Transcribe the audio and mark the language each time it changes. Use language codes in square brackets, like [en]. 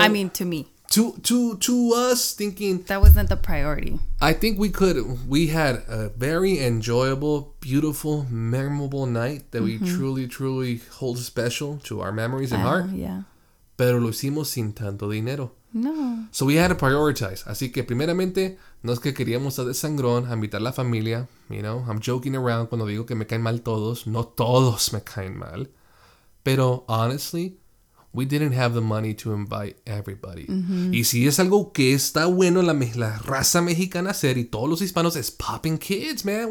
[en] I mean, to me. To us, thinking... That wasn't the priority. I think we had a very enjoyable, beautiful, memorable night that mm-hmm. we truly, truly hold special to our memories and heart. Yeah. [es] Pero lo hicimos sin tanto dinero. No. [en] So we had to prioritize. [es] Así que primeramente, no es que queríamos estar de sangrón, invitar a la familia. [en] You know, I'm joking around [es] cuando digo que me caen mal todos. No todos me caen mal. Pero [en] honestly, We didn't have the money to invite everybody. Mm-hmm. [es] Y si es algo que está bueno la raza mexicana hacer y todos los hispanos es [en] popping kids, man.